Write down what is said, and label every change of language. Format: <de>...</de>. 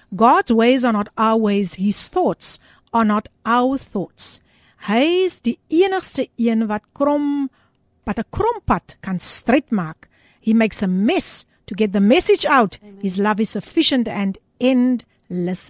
<en>God's ways are not our ways, his thoughts are not our thoughts.</en> <af>Hy is die enigste een wat 'n krom pad kan stryd maak.</af> <en>He makes a mess to get the message out. Amen. His love is sufficient and endless.</en>